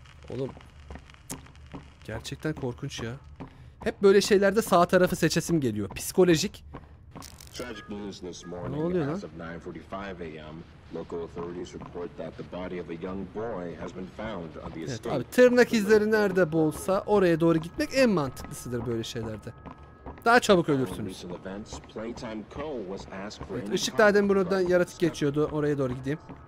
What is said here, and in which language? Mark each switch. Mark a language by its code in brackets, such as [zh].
[tr] Oğlum. Gerçekten korkunç ya. Hep böyle şeylerde sağ tarafı seçesim geliyor. Psikolojik. [en] Tragic news this morning. [tr] Ne oluyor lan? [en] Local authorities report that the body of a young boy has been found on the estate. [tr] Evet, abi tırnak izleri nerede bolsa oraya doğru gitmek en mantıklısıdır böyle şeylerde. Daha çabuk ölürsünüz. Evet, ışık daha demin buradan yaratık geçiyordu. Oraya doğru gideyim.